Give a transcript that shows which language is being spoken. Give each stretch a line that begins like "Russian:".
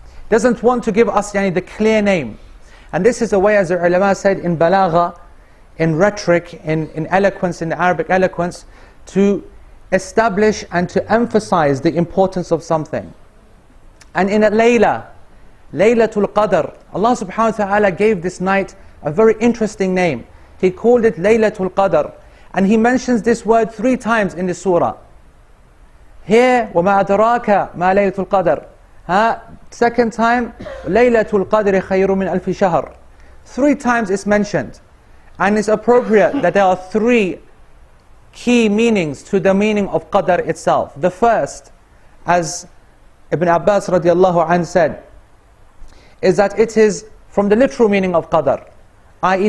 English: Doesn't want to give us the clear name. And this is the way, as the ulama said, in balagha, in rhetoric, in eloquence, in Arabic eloquence, to establish and to emphasize the importance of something. And in a layla, Laylatul Qadr, Allah subhanahu wa ta'ala gave this night a very interesting name. He called it Laylatul Qadr. And He mentions this word three times in the surah. Here,
Arabic: وَمَا أَدْرَاكَ مَا لَيْلَةُ الْقَدْرِ.
English: Second time,
Arabic: لَيْلَةُ الْقَدْرِ خَيْرٌ مِنْ أَلْفِ شَهْرٍ.
English: Three times it's mentioned. And it's appropriate that there are three key meanings to the meaning of Qadr itself. The first, as Ibn Abbas radiallahu anhu said, is that it is from the literal meaning of Qadr, i.e.